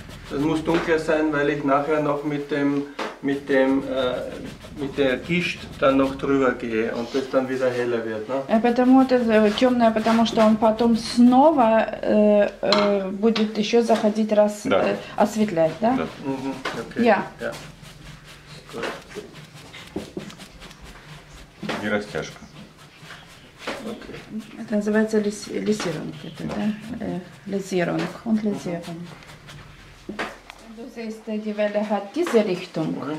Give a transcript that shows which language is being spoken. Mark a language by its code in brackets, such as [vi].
[de] Das muss dunkler sein, weil ich nachher noch mit der Gischt dann noch drüber gehe und das dann wieder heller wird, ne? [ru] Потому это темное, потому что он потом снова будет еще заходить раз осветлять, да? Да. [de] Ja. [ru] Не растяжка. Это называется лисировка, это да? Лисировка, он лисировка. [de] Die Welle hat diese Richtung.